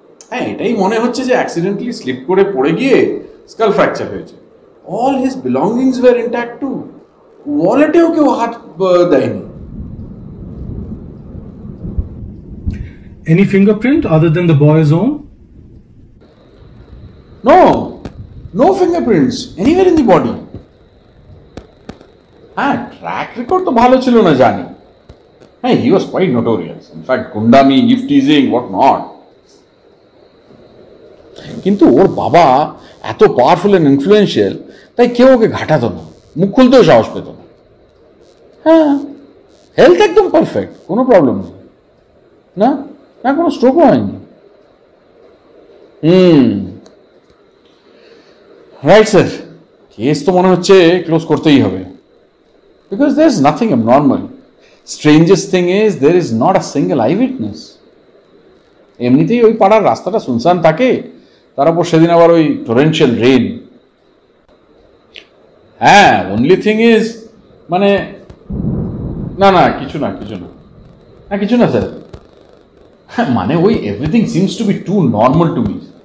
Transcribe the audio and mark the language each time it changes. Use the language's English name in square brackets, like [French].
[Bangla] হ্যাঁ, এটাই মনে হচ্ছে যে অ্যাক্সিডেন্টালি স্লিপ করে পড়ে গিয়ে স্কাল ফ্র্যাকচার হয়েছে। [English] all his belongings were intact too, [Bangla] ওয়ালেটেও কেউ হাত দেয়নি। [English] Any fingerprint other than the boys own? No, no fingerprints anywhere in the body. [Bangla] Haan, track record to bhalo chilo na jani. Haan, [English] he was quite notorious. In fact, kundami, gift teasing, what not. [Bangla] Kintu or baba eto powerful and influential, tai keu oke ghata to na, mukh khulte shahos peto na. Haan, health ekdom perfect, kono problem nei. Na, na kono stroke hoyni. Right sir, case তো মনে হচ্ছে close করতেই হবে। [English] Because there is nothing abnormal. Strangest thing is there is not a single eyewitness. [Bangla] এমনিতেই ওই পাড়ার রাস্তাটা শুনশান থাকে, তার উপর সেদিন আবার ওই টোরেন্সিয়াল রেইন। হ্যাঁ, [English] only thing is [Bangla] মানে না না কিছু না কিছু না হ্যাঁ কিছু না স্যার হ্যাঁ মানে ওই [English] Everything seems to be to normal to me.